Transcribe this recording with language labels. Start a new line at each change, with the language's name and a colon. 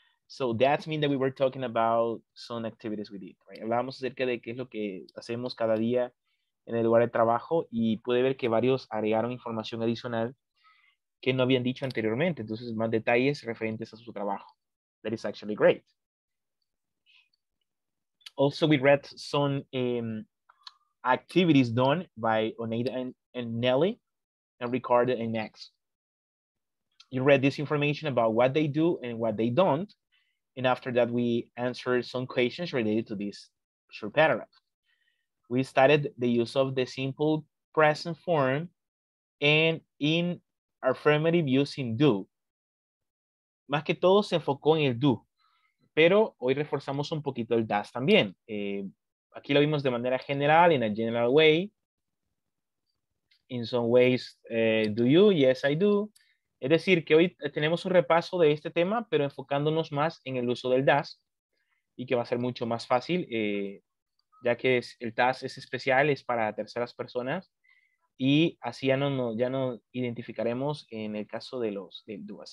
English: So that's mean that we were talking about some activities we did, right?
Spanish: Hablamos acerca de qué es lo que hacemos cada día en el lugar de trabajo, y pude ver que varios agregaron información adicional que no habían dicho anteriormente. Entonces, más detalles referentes a su trabajo.
English: That is actually great. Also, we read some activities done by Oneida and Nelly and Ricardo and Max. You read this information about what they do and what they don't. And after that, we answered some questions related to this short paragraph. We started the use of the simple present form and in affirmative using do.
Spanish: Más que todo se enfocó en el do, pero hoy reforzamos un poquito el does también. Aquí lo vimos de manera general,
English: in a general way. In some ways, do you? Yes, I do.
Spanish: Es decir, que hoy tenemos un repaso de este tema, pero enfocándonos más en el uso del does, y que va a ser mucho más fácil, ya que es, el does es especial, es para terceras personas, y así ya no identificaremos en el caso de los del do.